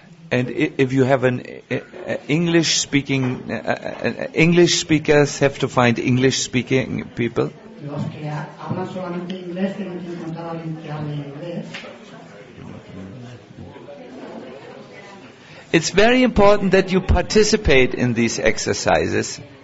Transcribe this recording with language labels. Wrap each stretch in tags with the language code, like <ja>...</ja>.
<en>And if you have an English speaking English speakers have to find English speaking people.</en> <es>Los que hablan solamente inglés tienen que encontrar a alguien que hable inglés.</es> <en>It's very important that you participate in these exercises.</en>